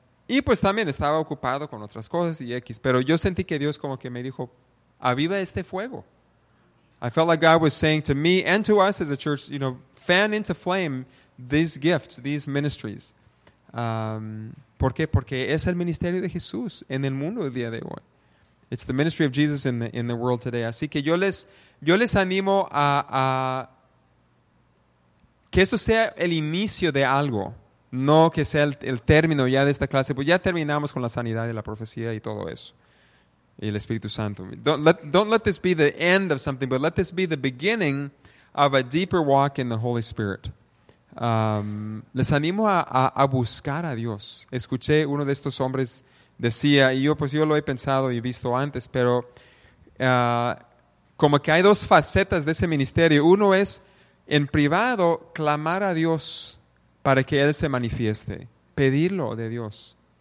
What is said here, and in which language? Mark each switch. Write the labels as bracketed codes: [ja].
[es] Y pues también estaba ocupado con otras cosas y X. Pero yo sentí que Dios como que me dijo, aviva este fuego. [en] I felt like God was saying to me and to us as a church, you know, fan into flame these gifts, these ministries. [es] ¿Por qué? Porque es el ministerio de Jesús en el mundo el día de hoy. [en] It's the ministry of Jesus in the world today. [es] Así que yo les animo a que esto sea el inicio de algo, no que sea el término ya de esta clase, pues ya terminamos con la sanidad y la profecía y todo eso. Y el Espíritu Santo. [en] Don't let this be the end of something, but let this be the beginning of a deeper walk in the Holy Spirit. [es] Les animo a buscar a Dios. Escuché uno de estos hombres decía, y yo lo he pensado y visto antes, pero como que hay dos facetas de ese ministerio. Uno es en privado clamar a Dios para que Él se manifieste, pedirlo de Dios.